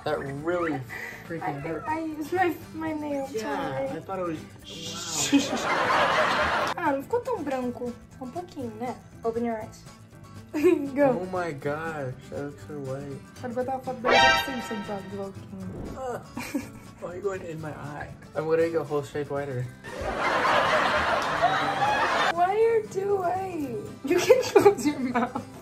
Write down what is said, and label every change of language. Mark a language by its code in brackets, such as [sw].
[en] That really freaking hurt. I used my nail. Yeah, time. I thought it was... [pt] Wow. Ah, não ficou tão branco. Um pouquinho, né? [en] Open your eyes. Go. Oh my gosh, that looks so white. [pt] Quero botar uma foto bem assim, sentado do Alquinho. [en] Why are you going in my eye? I'm gonna get a whole shade whiter. What are you doing? You can close your mouth.